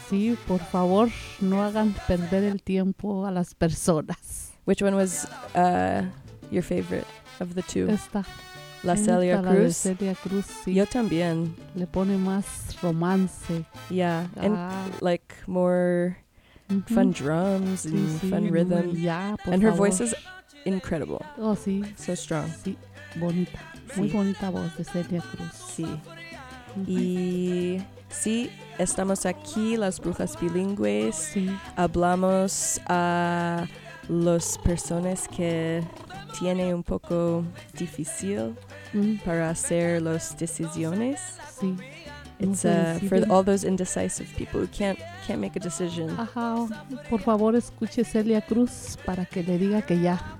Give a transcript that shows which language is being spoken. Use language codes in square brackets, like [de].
[es] Sí, por favor, no hagan perder el tiempo a las personas. [en] Which one was your favorite of the two? [es] Esta. La Celia Cruz. La Celia Cruz, sí. Yo también. Le pone más romance. [en] Yeah, and like more fun drums and fun rhythm. [es] Ya, por [en] and her [es] favor. [en] Voice is incredible. [es] Oh, sí. [en] So strong. [es] Sí, bonita. Sí. Muy bonita voz de Celia Cruz. Sí. Y sí, estamos aquí, las brujas bilingües. Sí. Hablamos a las personas que tienen un poco difícil para hacer las decisiones. Sí. [en] It's for all those indecisive people who can't make a decision. [es] Ajá. Por favor, escuche Celia Cruz para que le diga que ya.